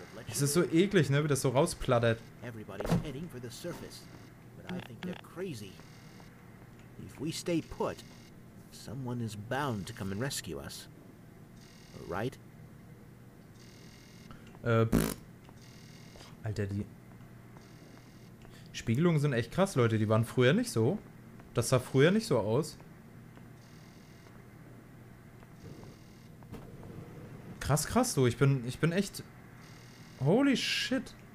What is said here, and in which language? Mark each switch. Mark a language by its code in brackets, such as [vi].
[de] Es ist so eklig, ne? Wie das so rausplattert. [en] Everybody's heading for the surface, but I think they're crazy. If we stay put, someone is bound to come and rescue us. Right? [de] Alter, die Spiegelungen sind echt krass, Leute. Die waren früher nicht so. Das sah früher nicht so aus. Krass, krass, du. Ich bin echt... [en] Holy shit.